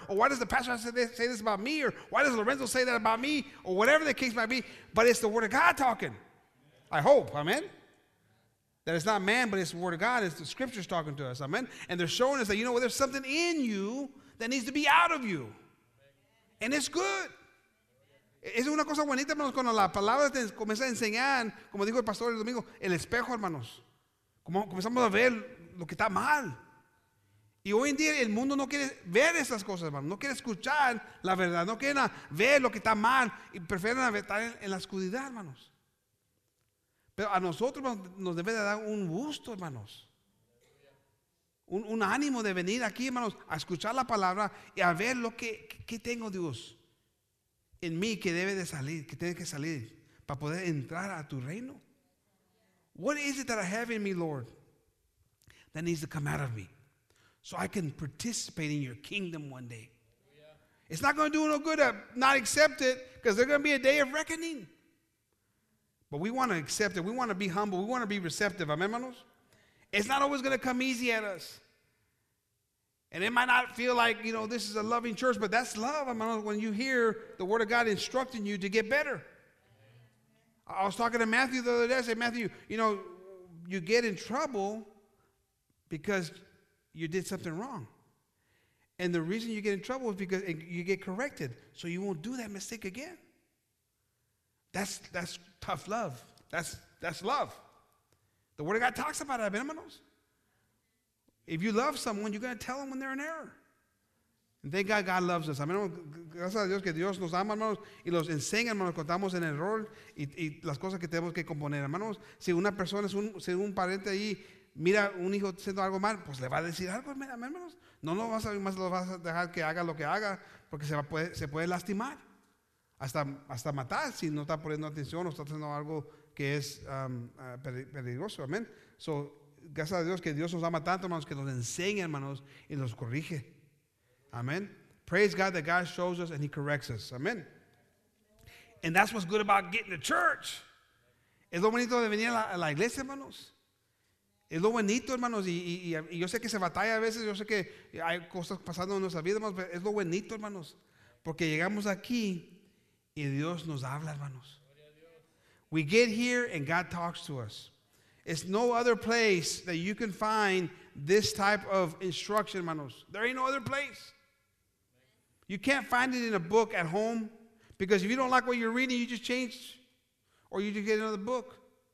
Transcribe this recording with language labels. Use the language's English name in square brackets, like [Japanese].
[English] Or why does the pastor have to say this about me? Or why does Lorenzo say that about me? Or whatever the case might be. But it's the Word of God talking. I hope. Amen. That it's not man, but it's the Word of God. It's the Scriptures talking to us. Amen. And they're showing us that, you know, there's something in you that needs to be out of you. And it's good. [Spanish] Es una cosa bonita, hermanos, cuando la palabra te comienza a enseñar, como dijo el pastor el domingo, el espejo, hermanos. Como comenzamos a ver lo que está mal. Y hoy en día el mundo no quiere ver esas cosas, hermanos. No quiere escuchar la verdad. No quiere ver lo que está mal. Y prefieren estar en la oscuridad, hermanos. Pero a nosotros, hermanos, nos debe de dar un gusto, hermanos. Un ánimo de venir aquí, hermanos, a escuchar la palabra y a ver lo que tengo, Dios, en mí que debe de salir, que tiene que salir para poder entrar a tu reino. [English] What is it that I have in me, Lord, that needs to come out of me so I can participate in your kingdom one day? Yeah. It's not going to do no good to not accept it, because there's going to be a day of reckoning. But we want to accept it. We want to be humble. We want to be receptive. Amen, hermanos? It's not always going to come easy at us. And it might not feel like, you know, this is a loving church, but that's love, hermanos, when you hear the Word of God instructing you to get better. I was talking to Matthew the other day. I said, Matthew, you know, you get in trouble because you did something wrong. And the reason you get in trouble is because you get corrected, so you won't do that mistake again. That's tough love. That's love. The Word of God talks about it, hermanos. If you love someone, you're going to tell them when they're in error. And thank God, God loves us. Amén. [Spanish] Gracias a Dios que Dios nos ama, hermanos, y los enseña, hermanos, cuando estamos en error y las cosas que tenemos que componer. Hermanos, si una persona, si un pariente ahí mira un hijo haciendo algo mal, pues le va a decir algo, hermanos. No lo vas a ver, más lo vas a dejar que haga lo que haga, porque se puede lastimar, hasta matar si no está poniendo atención o está haciendo algo que es peligroso. Amén. So, gracias a Dios que Dios nos ama tanto, hermanos, que nos enseña, hermanos, y nos corrige. Amen. [English] Praise God that God shows us and he corrects us. Amen. And that's what's good about getting to church. [Spanish] Es lo bonito de venir a la iglesia, hermanos. Es lo bonito, hermanos. Y yo sé que se batalla a veces. Yo sé que hay cosas pasando en nuestra vida, hermanos. Pero es lo bonito, hermanos. Porque llegamos aquí y Dios nos habla, hermanos. [English] We get here and God talks to us. It's no other place that you can find this type of instruction, hermanos. There ain't no other place. You can't find it in a book at home, because if you don't like what you're reading, you just change, or you just get another book.